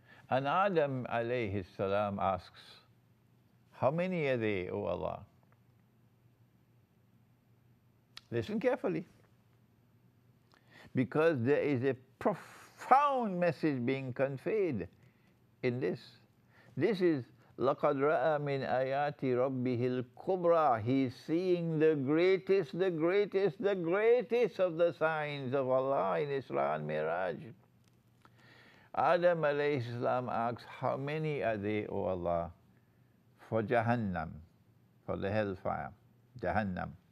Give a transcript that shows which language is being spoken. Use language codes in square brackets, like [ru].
[en] And Adam alayhi salam asks, how many are they, O Allah? Listen carefully. Because there is a profound message being conveyed in this. This is, [ar] لَقَدْ رَأَى مِنْ آيَاتِ رَبِّهِ الْكُبْرَى. [en] He is seeing the greatest, the greatest, the greatest of the signs of Allah in Isra and Miraj. Adam alayhi salam asks, how many are they, O Allah, for Jahannam, for the hellfire, Jahannam?